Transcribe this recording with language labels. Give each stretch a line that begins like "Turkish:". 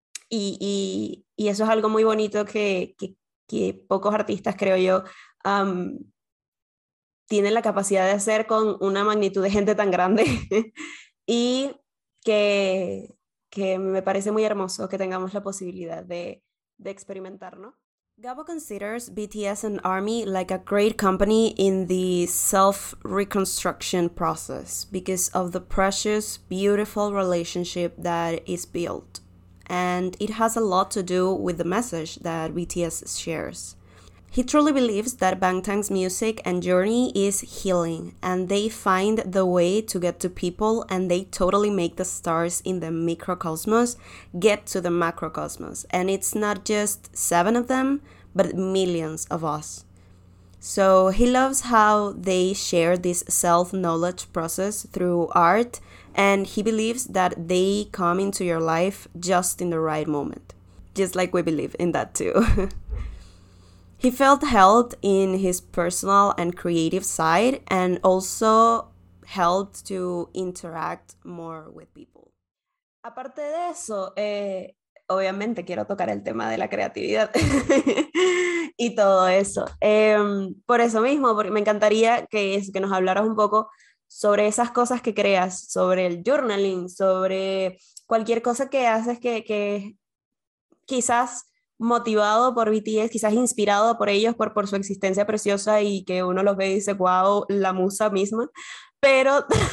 Spanish: Y eso es algo muy bonito que pocos artistas, creo yo, tienen la capacidad de hacer con una magnitud de gente tan grande. Y que me parece muy hermoso que tengamos la posibilidad de experimentar, ¿no?
English: Gabo considers BTS and ARMY like a great company in the self-reconstruction process because of the precious, beautiful relationship that is built. And it has a lot to do with the message that BTS shares. He truly believes that Bangtan's music and journey is healing, and they find the way to get to people, and they totally make the stars in the microcosmos get to the macrocosmos. And it's not just seven of them, but millions of us. So he loves how they share this self-knowledge process through art, and he believes that they come into your life just in the right moment. Just like we believe in that too. He felt helped in his personal and creative side, and also helped to interact more with people.
Spanish: Aparte de eso, obviamente quiero tocar el tema de la creatividad y todo eso. Por eso mismo, porque me encantaría que nos hablaras un poco sobre esas cosas que creas, sobre el journaling, sobre cualquier cosa que haces que quizás motivado por BTS, quizás inspirado por ellos, por su existencia preciosa y que uno los ve y dice, wow, la musa misma, pero